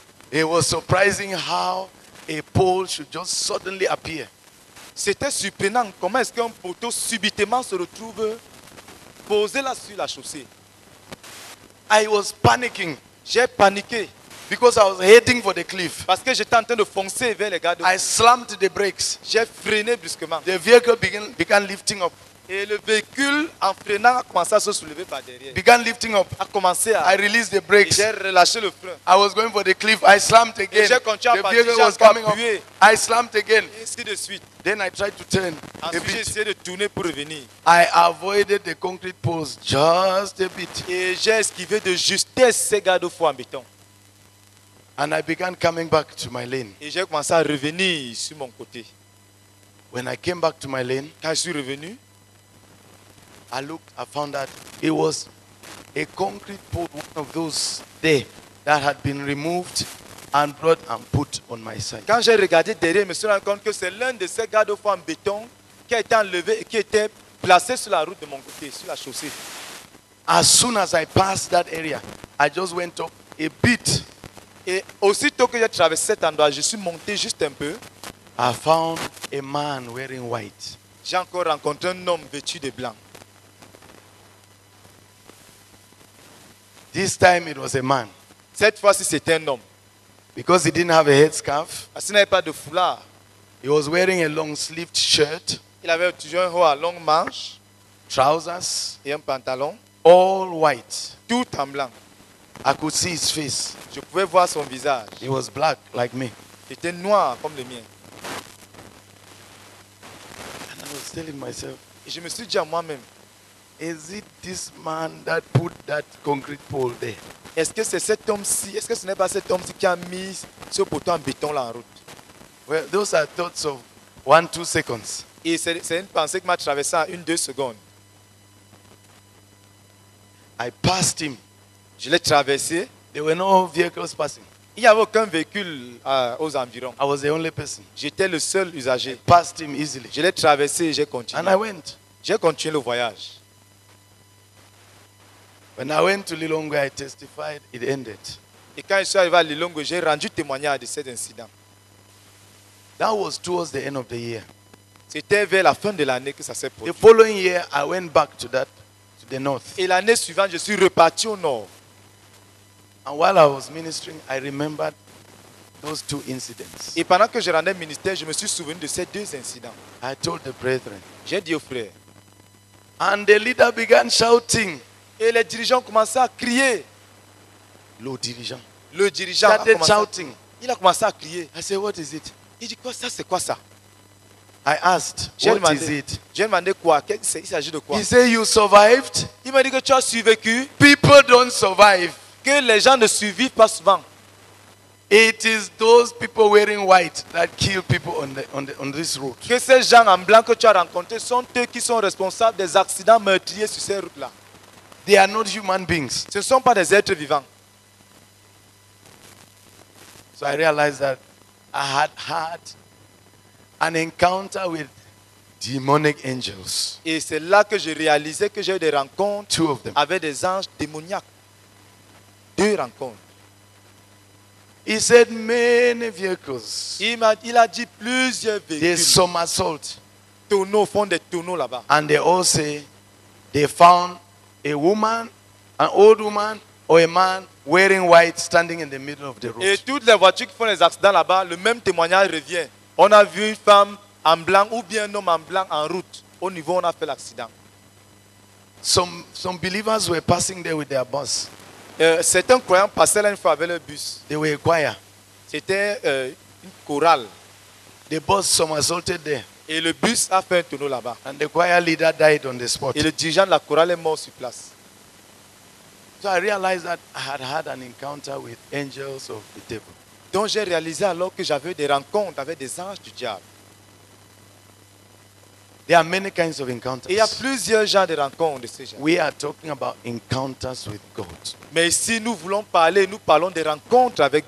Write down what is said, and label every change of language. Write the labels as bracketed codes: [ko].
[en] It was surprising how a pole should just suddenly appear. [fr] C'était surprenant comment est-ce qu'un poteau subitement se retrouve posé là sur la chaussée. [en] I was panicking. [fr] J'ai paniqué. [en] Because I was heading for the cliff. [fr] Parce que j'étais en train de foncer vers les gardes. [en] I slammed the brakes. [fr] J'ai freiné brusquement. [en] The vehicle began lifting up. [fr] Et le véhicule en freinant a commencé à se soulever par derrière. [en] Began lifting up. [fr] A commencé à. [en] I released the brakes. [fr] J'ai relâché le frein. [en] I was going for the cliff. I slammed again. [fr] Et j'ai continué à partir. [en] The vehicle was coming up. I slammed again. [fr] Et ainsi de suite. [en] Then I tried to turn. [fr] Ensuite, j'ai essayé de tourner pour revenir. [en] I avoided the concrete poles just a bit. [fr] Et j'ai esquivé de justesse ces gardes-fous en béton. [en] And I began coming back to my lane. [fr] Et j'ai commencé à revenir sur mon côté. [en] When I came back to my lane, [fr] quand je suis revenu, [en] I looked, I found that it was a concrete pole one of those days that had been removed and brought and put on my side. [fr] Quand j'ai regardé derrière, je me suis rendu compte que c'est l'un de ces garde-fous en béton qui a été enlevé et qui était placé sur la route de mon côté, sur la chaussée. [en] As soon as I passed that area, I just went up a bit. [fr] Et aussitôt que j'ai traversé cet endroit, je suis monté juste un peu. [en] I found a man wearing white. [fr] J'ai encore rencontré un homme vêtu de blanc. [en] This time it was a man. [fr] Cette fois-ci, c'était un homme. [en] Because he didn't have a headscarf. [fr] Parce qu'il n'avait pas de foulard. [en] He was wearing a long-sleeved shirt. [fr] Il avait toujours un haut à longue manche. [en] Trousers. [fr] Et un pantalon. [en] All white. [fr] Tout en blanc. [en] I could see his face. [fr] Je pouvais voir son visage. [en] He was black like me. [fr] Il était noir comme le mien. [en] And I was telling myself, [fr] et je me suis dit à moi-même, [en] is it this man that put that concrete pole there? [fr] Est-ce que c'est cet homme-ci? Est-ce que ce n'est pas cet homme-ci qui a mis ce poteau en béton là en route? [en] Well, those are thoughts of 1-2 seconds. [fr] Et c'est une pensée qui m'a traversé en 1-2 secondes. [en] I passed him. [fr] Je l'ai traversé. [en] There were no vehicles passing. [fr] Il n'y avait aucun véhicule aux environs. [en] I was the only person. [fr] J'étais le seul usager. [en] I passed him easily. [fr] Je l'ai traversé et j'ai continué. [en] And I went. [fr] J'ai continué le voyage. [en] When I went to Lilongwe, I testified, it ended. [fr] Et quand je suis arrivé à Lilongwe, j'ai rendu témoignage de cet incident. [en] That was towards the end of the year. [fr] C'était vers la fin de l'année que ça s'est produit. [en] The following year, I went back to that. The north. [fr] Et l'année suivante, je suis reparti au nord. [en] And while I was ministering, I remembered those two incidents. [fr] Et pendant que je rendais ministère, je me suis souvenu de ces deux incidents. [en] I told the brethren. [fr] J'ai dit aux frères. [en] And the leader began shouting. [fr] Et les dirigeants commençaient à crier. Le dirigeant. Le dirigeant. [en] Started shouting. [fr] Il a commencé à crier. [en] I said, what is it? [fr] Il dit quoi ça? C'est quoi ça? [en] I asked, what [fr] demandé, [en] is it? [fr] J'ai demandé quoi? Il s'agit de quoi? [en] He said, you survived. [fr] Il m'a dit que tu as survécu. [en] People don't survive. [fr] Que les gens ne survivent pas souvent. [en] It is those people wearing white that kill people on this route. [fr] Que ces gens en blanc que tu as rencontrés sont eux qui sont responsables des accidents meurtriers sur ces routes-là. [en] They are not human beings. [fr] Ce ne sont pas des êtres vivants. [en] So I realized that I had heard an encounter with demonic angels. [fr] Et c'est là que je réalisais que j'ai eu des rencontres. [en] Two of them. [fr] Avec des anges démoniaques. Deux rencontres. [en] He said many vehicles. [fr] Il a dit plusieurs véhicules. Des somersaults. Tonneaux, font des tonneaux là-bas. [en] And they all say they found a woman, an old woman, or a man wearing white standing in the middle of the road. [fr] Et toutes les voitures qui font les accidents là-bas, le même témoignage revient. On a vu une femme en blanc ou bien un homme en blanc en route au niveau où on a fait l'accident. [en] Some believers were passing there with their bus. [fr] Certains croyants passaient là une fois avec leur bus. [en] They were a choir. [fr] C'était une chorale. [en] The bus somersaulted there. [fr] Et le bus a fait un tonneau là-bas. [en] And the choir leader died on the spot. [fr] Et le dirigeant de la chorale est mort sur place. [en] So I realized that I had had an encounter with angels of the devil. [fr] Donc j'ai réalisé alors que j'avais des rencontres avec des anges du diable. [en] There are many kinds of encounters. [fr] Il y a plusieurs genres de rencontres de ce genre. [en] We are talking about encounters with God. [fr] Mais si nous voulons parler, nous parlons des rencontres avec